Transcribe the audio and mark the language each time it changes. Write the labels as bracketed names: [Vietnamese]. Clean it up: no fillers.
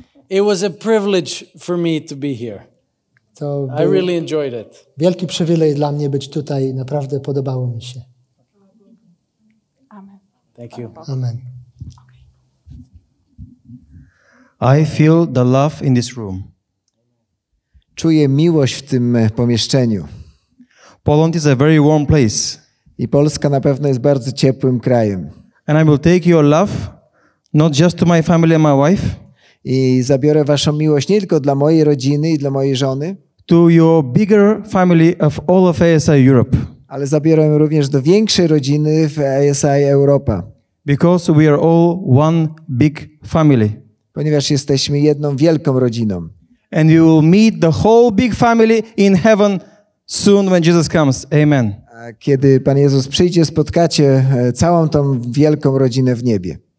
[English] It was a privilege for me to be here. [Polish] To [English] I really enjoyed it. [Polish] Wielki przywilej dla mnie być tutaj, naprawdę podobało mi się. Amen. [English] Thank you. Amen. I feel the love in this room. [Polish] Czuję miłość w tym pomieszczeniu. [English] Poland is a very warm place. [Polish] I Polska na pewno jest bardzo ciepłym krajem. [English] And I will take your love not just to my family and my wife. [Polish] I zabiorę waszą miłość nie tylko dla mojej rodziny i dla mojej żony, [English] to your bigger family of all of ASI Europe. [Polish] Ale zabiorę ją również do większej rodziny w ASI Europa. [English] Because we are all one big family. [Polish] Ponieważ jesteśmy jedną wielką rodziną. [English] And you will meet the whole big family in heaven soon when Jesus comes. Amen. [Polish] A kiedy Pan Jezus przyjdzie, spotkacie całą tą wielką rodzinę w niebie.